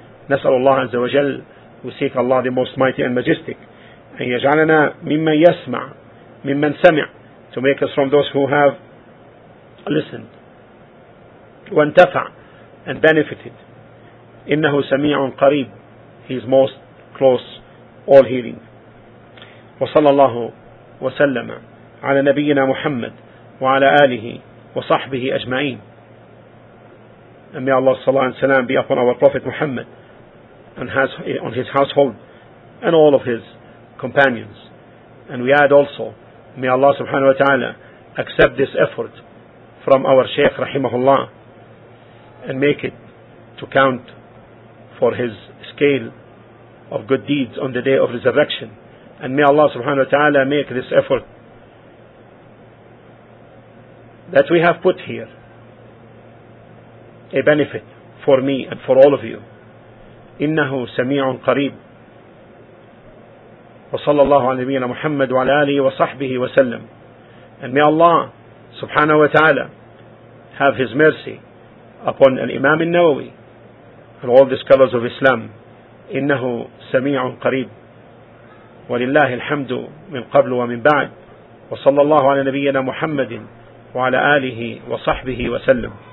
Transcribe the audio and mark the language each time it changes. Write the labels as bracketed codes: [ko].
[ar] نسأل الله عز وجل, [en] we seek Allah the most mighty and majestic, [ar] أن يجعلنا ممن يسمع, ممن سمع, [en] to make us from those who have listened, [ar] وانتفع, [en] and benefited. [ar] إنه سميع قريب, [en] he is most close, all hearing. [ar] وصلى الله وسلم على نبينا محمد وعلى آله وصحبه أجمعين. [en] And may Allah sallallahu alayhi wa sallam be upon our Prophet Muhammad and has on his household and all of his companions. And we add also, may Allah subhanahu wa ta'ala accept this effort from our Shaykh rahimahullah and make it to count for his scale of good deeds on the day of resurrection. And may Allah subhanahu wa ta'ala make this effort that we have put here a benefit for me and for all of you. [ar] إنه سميع قريب. وصلى الله على نبينا محمد وعلى آله وصحبه وسلم. [en] And may Allah subhanahu wa ta'ala have his mercy upon Imam al-Nawawi and all the scholars of Islam. [ar] إنه سميع قريب. ولله الحمد من قبل ومن بعد. وصلى الله على نبينا محمد وعلى آله وصحبه وسلم.